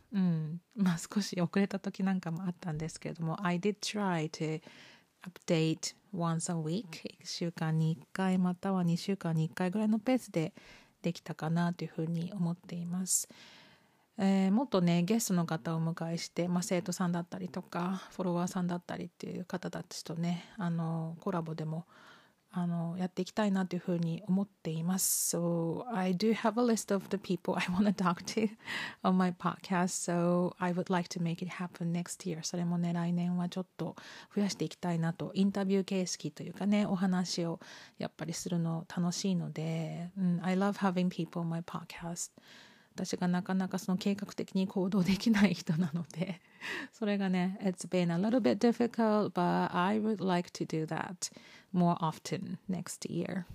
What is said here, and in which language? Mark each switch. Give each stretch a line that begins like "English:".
Japanese: うん、まあ少し遅れた時なんかもあったんですけれども、
English: I did try to update once a week、
Japanese: 1週間に1回または2週間に1回ぐらいのペースでできたかなというふうに思っています。もっとねゲストの方をお迎えして、まあ、生徒さんだったりとかフォロワーさんだったりっていう方たちとね、あのコラボでもあのやっていきたいなというふうに思っています。
English: So I do have a list of the people I want to talk to on my podcast, so I would like to make it happen next year.
Japanese: それもね来年はちょっと増やしていきたいなと。インタビュー形式というかね、お話をやっぱりするの楽しいので、
English: I love having people on my podcast。
Japanese: 私がなかなかその計画的に行動できない人なのでそれがね
English: It's been a little bit difficult, but I would like to do that more often next year。